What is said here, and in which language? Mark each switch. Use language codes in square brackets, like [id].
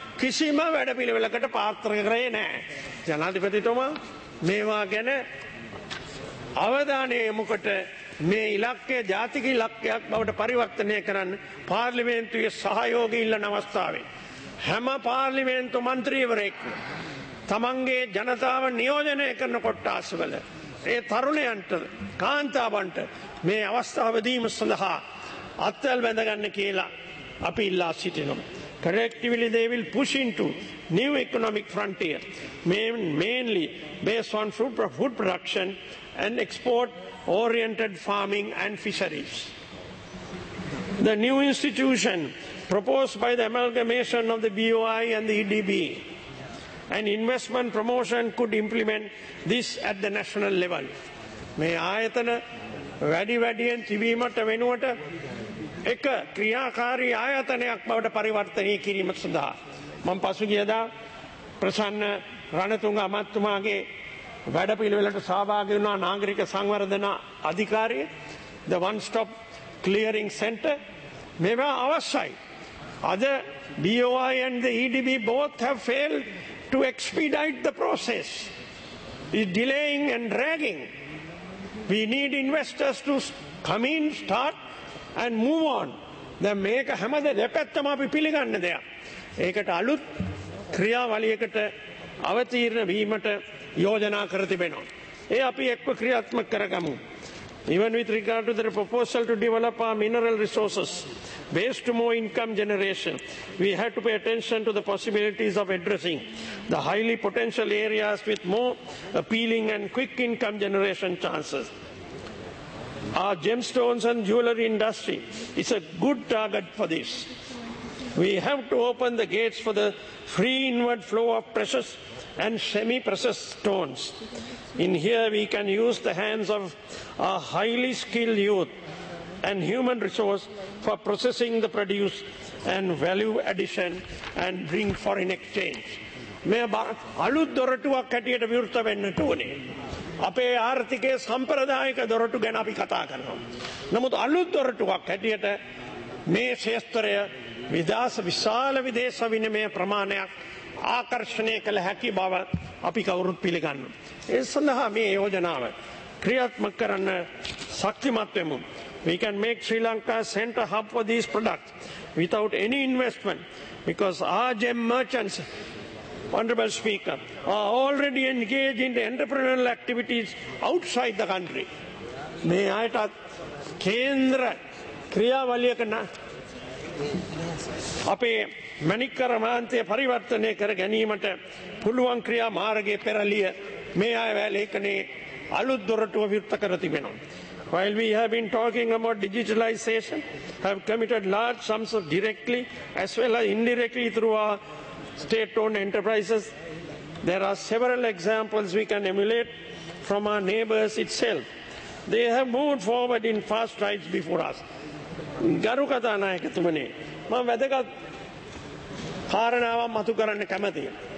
[si] කිසිම වැඩපිළිවෙලකට පාත්‍ර කරේ නැහැ. ජනාධිපතිතුමා මේවා ගැන අවධානය යොමුකොට මේ ඉලක්කය ජාතික ඉලක්කයක් බවට පරිවර්තනය කරන්න පාර්ලිමේන්තුවේ සහයෝගය ඉල්ලන අවස්ථාවේ හැම පාර්ලිමේන්තු මන්ත්‍රීවරයෙක්ම තමන්ගේ ජනතාව නියෝජනය කරන කොට්ටාසවල ඒ තරුණයන්ට කාන්තාවන්ට මේ අවස්ථාව දීම සඳහා අත්වැල් බැඳගන්න කියලා අපි ඉල්ලා සිටිනවා. [en] Collectively, they will push into new economic frontier, mainly based on food production and export-oriented farming and fisheries. The new institution proposed by the amalgamation of the BOI and the EDB, and investment promotion could implement this at the national level. [si] May ayatana vadi vadiyen thibimata wenuwata එක ක්‍රියාකාරී ආයතනයක් බවට පරිවර්තනය කිරීම සඳහා මම පසුගියදා ප්‍රසන්න රණතුංග අමාත්‍යතුමාගේ වැඩපිළිවෙලට සහභාගී වුණා නාගරික සංවර්ධන අධිකාරිය [en] the one stop clearing center. [si] මේවා අවශ්‍යයි. [en] අද BOI and the EDB both have failed to expedite the process. It's delaying and dragging. We need investors to come in, start and move on. [si] දැන් මේක හැමදේ දෙපැත්තම අපි පිළිගන්න දෙයක්. ඒකට අලුත් ක්‍රියාවලියකට අවතීර්ණ වීමට යෝජනා කර තිබෙනවා. ඒ අපි එක්ව ක්‍රියාත්මක කරගමු. [en] Even with regard to the proposal to develop our mineral resources based to more income generation, we have to pay attention to the possibilities of addressing the highly potential areas with more appealing and quick income generation chances. Our gemstones and jewelry industry is a good target for this. We have to open the gates for the free inward flow of precious and semi-precious stones. In here, we can use the hands of our highly skilled youth and human resource for processing the produce and value addition and bring foreign exchange. [si] මේ අලුත් දොරටුවක් හැටියට විවෘත වෙන්න ඕනේ. අපේ ආර්ථිකයේ සම්ප්‍රදායික දොරටු ගැන අපි කතා කරනවා. නමුත් අලුත් දොරටුවක් හැටියට මේ ක්ෂේත්‍රය විශාල විදේශ විනිමය ප්‍රමාණයක් ආකර්ෂණය කළ හැකි බව අපි කවුරුත් පිළිගන්නවා. ඒ සඳහා මේ යෝජනාව ක්‍රියාත්මක කරන්න ශක්තිමත් වෙමු. [en] We can make Sri Lanka a center hub for these products without any investment because our gem merchants, Honorable Speaker, are already engaged in the entrepreneurial activities outside the country. [si] මේ අයට කේන්ද්‍ර ක්‍රියාවලියක අපේ මණිකරමාන්තය පරිවර්තනය කර ගැනීමට පුළුවන් ක්‍රියා මාර්ගයේ පෙරළිය මේ අය වැලේකනේ අලුත් දොරටුව විවෘත කර තිබෙනවා. [en] While we have been talking about digitalization, have committed large sums of directly as well as indirectly through our state-owned enterprises, there are several examples we can emulate from our neighbors itself. They have moved forward in fast strides before us. [si] ගරු කථානායකතුමනි, මම වැදගත් කාරණාවක් මතු කරන්න කැමතියි.